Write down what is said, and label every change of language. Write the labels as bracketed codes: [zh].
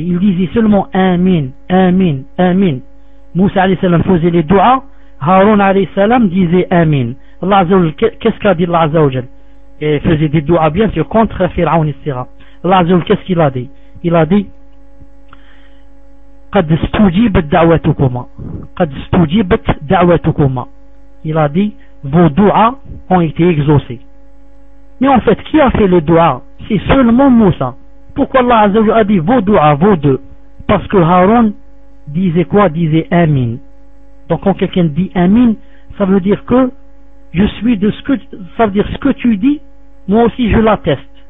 [fr] Il disait seulement Amin, Amin, Amin. Moussa alayhi salam faisait les doua, Haroun alayhi salam disait Amin. Allah azzawajal, qu'est-ce qu'a dit Allah azzawajal? Et faisait des doua, bien sûr, contre Firaun, etc. Allah azzawajal, qu'est-ce qu'il a dit? [ar] Il a dit, قد استجيبت دعوتكما قد استجيبت دعوتكما. [fr] Il a dit vos doua ont été exaucés. Mais en fait, qui a fait le doua? C'est seulement Moussa. Pourquoi Allah Azza wa Jalla a dit vos doua, vos deux? Parce que Haroun disait quoi? Disait Amin. Donc quand quelqu'un dit Amin, ça veut dire que je suis de ce que ça veut dire, ce que tu dis moi aussi je l'atteste.